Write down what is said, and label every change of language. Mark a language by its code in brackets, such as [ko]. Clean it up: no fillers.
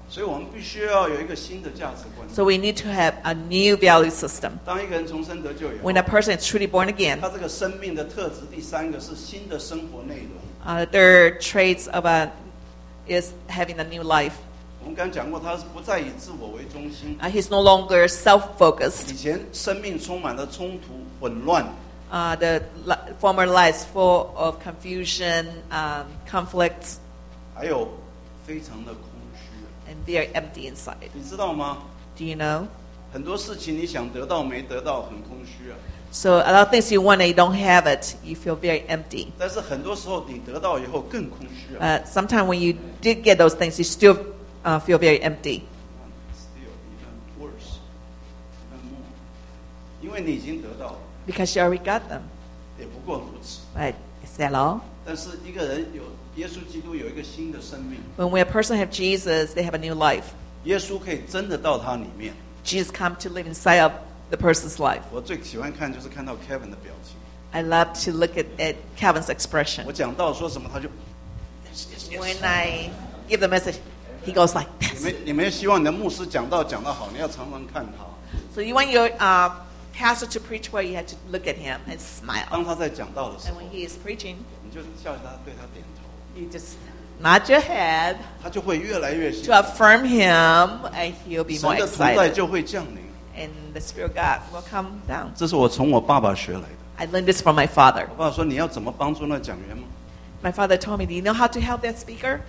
[zh] 所以我们必须要有一个新的价值观。 [en] So we need to have a new value system. [zh] 当一个人重生得救以后 [en] when a person is truly born again, [zh] 他这个生命的特质第三个是新的生活内容。 [en] Their traits of aIs having a new life. [zh] 我们刚刚讲过，他不再以自我为中心。 [en] He's no longer self-focused. [zh] 以前生命充满了冲突、混乱。 [en] The former life full of confusion, conflicts. [zh] 还有非常的空虚。 [en] And very empty inside. [zh] 你知道吗 [en] ？Do you know? [zh] 很多事情你想得到没得到，很空虚啊。 [en] So a lot of things you want and you don't have it, you feel very empty. [zh] 但是很多时候你得到以后更空虚啊。 [en] Sometimes when you did get those things, you still feel very empty. Still even worse, even more. [zh] 因为你已经得到了。 [en] Because you already got them. [zh] 也不过如此。 [en] But is that all? [zh] 但是一个人有耶稣基督有一个新的生命。 [en] When a person have Jesus, they have a new life. [zh] 耶稣可以真的到他里面。 [en] Jesus come to live inside of the person's life. [zh] 我最喜欢看就是看到 Kevin 的表情。 [en] I love to look at Kevin's expression. [zh] 我讲到说什么他就 [en] When I give the message, he goes like this. [zh] 你们希望你的牧师讲到好，你要常常看他。 [en] So you want your pastor to preach well, you have to look at him and smile. [zh] 当他在讲道的时候 [en] And when he is preaching, [zh] 你就笑他，对他点头。 [en] You just nod your head. [zh] 他就会越来越兴奋。 [en] To affirm him, and he'll be more excited. [zh] 神的同在就会降临。 [en] And the Spirit of God will come down. [zh] 这是我从我爸爸学来的。 [en] I learned this from my father. [zh] 我爸爸说你要怎么帮助那讲员吗？ [en] My father told me, do you know how to help that speaker?